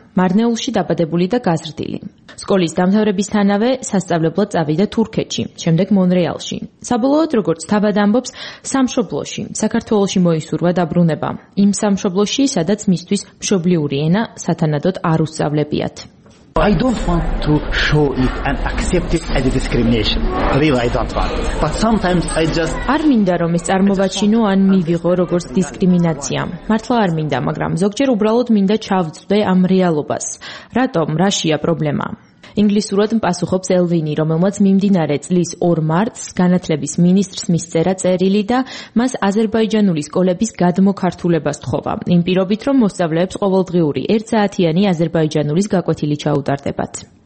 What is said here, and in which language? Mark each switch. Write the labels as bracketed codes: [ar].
[ka] მარნეულში დაბადებული და გაზრდილი. სკოლის დამთავრებისთანავე სასწავლებლად წავიდა თურქეთში, შემდეგ მონრეალში. საბოლოოდ, როგორც თავად ამბობს, სამშობლოში, საქართველოში მოისურვა დაბრუნება. იმ სამშობლოში, სადაც მისთვის მშობლიური ენა სათანადოდ არ უსწავლებიათ. [en] I don't want to show it and accept it as a discrimination. Really, I don't want. But sometimes I just [ka] არ მინდა რომ ეს წარმოვაჩინო ან მივიღო როგორც დისკრიმინაცია. მართლა არ მინდა, მაგრამ ზოგჯერ უბრალოდ მინდა ჩავწვდე ამ რეალობას. რატომ? რაშია პრობლემა? ინგლისურად პასუხობს ელვინი, რომელმაც მიმდინარე წლის 2 მარტს განათლების მინისტრს მისწერა წერილი და მას აზერბაიჯანული სკოლების გადმოქართულება სთხოვა, იმ პირობით, რომ მოსწავლეებს ყოველდღიური 1 საათიანი აზერბაიჯანულის გაკვეთილი ჩაუტარდებათ.